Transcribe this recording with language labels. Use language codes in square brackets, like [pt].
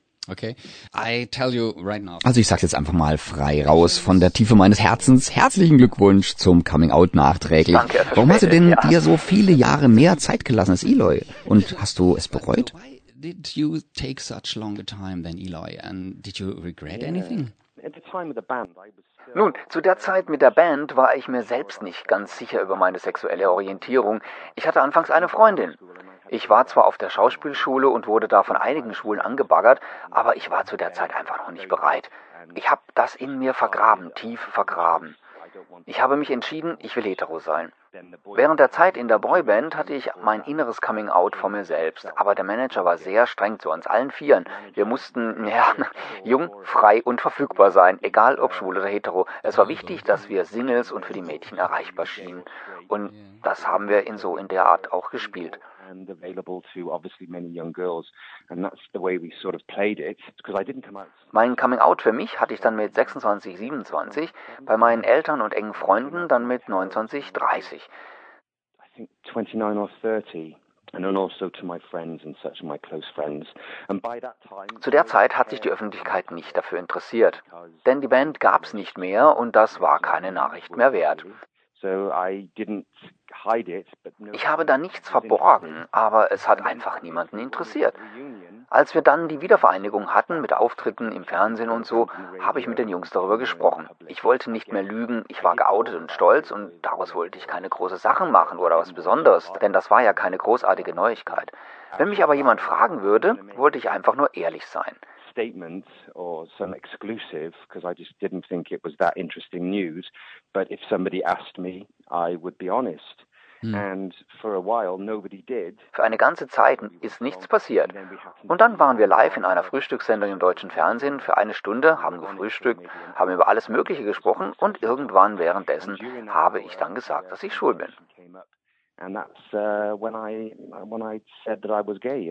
[en] Okay. I tell you right now. [de] Also ich sag's jetzt einfach mal frei raus von der Tiefe meines Herzens. Herzlichen Glückwunsch zum Coming Out nachträglich. Danke. Warum hast du denn dir so viele Jahre mehr Zeit gelassen als Eloy? Und hast du es bereut? [en] Why did you take such longer time than Eloy? And did you regret anything? At the time of the band, I was. [de] Nun, zu der Zeit mit der Band war ich mir selbst nicht ganz sicher über meine sexuelle Orientierung. Ich hatte anfangs eine Freundin. Ich war zwar auf der Schauspielschule und wurde da von einigen Schwulen angebaggert, aber ich war zu der Zeit einfach noch nicht bereit. Ich habe das in mir vergraben, tief vergraben. Ich habe mich entschieden, ich will hetero sein. Während der Zeit in der Boyband hatte ich mein inneres Coming-out vor mir selbst, aber der Manager war sehr streng zu uns allen Vieren. Wir mussten, ja, jung, frei und verfügbar sein, egal ob schwul oder hetero. Es war wichtig, dass wir Singles und für die Mädchen erreichbar schienen. Und das haben wir in so in der Art auch gespielt. [en] And available to obviously many young girls, and that's the way we sort of played it, because I didn't come out. [de] Mein Coming Out für mich hatte ich dann mit 26, 27, bei meinen Eltern und engen Freunden dann mit 29, 30. [en] I think 29 or 30. And then also to my friends and such, my close friends. And by that time, [de] zu der Zeit hat sich die Öffentlichkeit nicht dafür interessiert, denn die Band gab's nicht mehr und das war keine Nachricht mehr wert. [en] So I didn't hide it, but no. [de] Ich habe da nichts verborgen, aber es hat einfach niemanden interessiert. Als wir dann die Wiedervereinigung hatten, mit Auftritten im Fernsehen und so, habe ich mit den Jungs darüber gesprochen. Ich wollte nicht mehr lügen, ich war geoutet und stolz und daraus wollte ich keine große Sachen machen oder was Besonderes, denn das war ja keine großartige Neuigkeit. Wenn mich aber jemand fragen würde, wollte ich einfach nur ehrlich sein. [en] Statement or some exclusive, because I just didn't think it was that interesting news. But if somebody asked me, I would be honest. And for a while, nobody did. [de] Für eine ganze Zeit ist nichts passiert. Und dann waren wir live in einer Frühstückssendung im deutschen Fernsehen für eine Stunde, haben gefrühstückt, haben über alles Mögliche gesprochen und irgendwann währenddessen habe ich dann gesagt, dass ich schwul bin. [en] And that's when I said that I was gay.